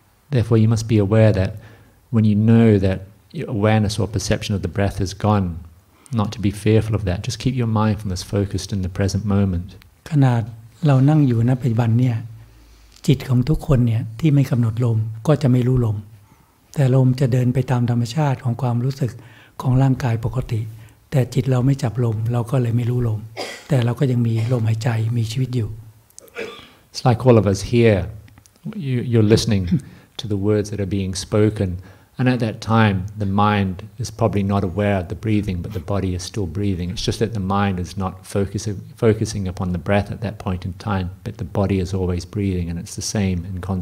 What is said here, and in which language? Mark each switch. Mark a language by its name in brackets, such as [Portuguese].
[English] Therefore, you must be aware that when you know that your awareness or perception of the breath is gone, not to be fearful of that. Just keep your mindfulness focused in the present moment. [Thai] ขนาดเรานั่งอยู่ณปัจจุบันเนี่ยจิตของทุกคนเนี่ยที่ไม่กำหนดลมก็จะไม่รู้ลมแต่ลมจะเดินไปตามธรรมชาติของความรู้สึกของร่างกายปกติแต่จิตเราไม่จับลมเราก็เลยไม่รู้ลมแต่เราก็ยังมีลมหายใจมีชีวิตอยู่. [English] It's like all of us here, you're listening to the words that are being spoken, and at that time the mind is probably not aware of the breathing, but the body is still breathing. It's just that the mind is not focusing upon the breath at that point in time, but the body is always breathing, and it's the same in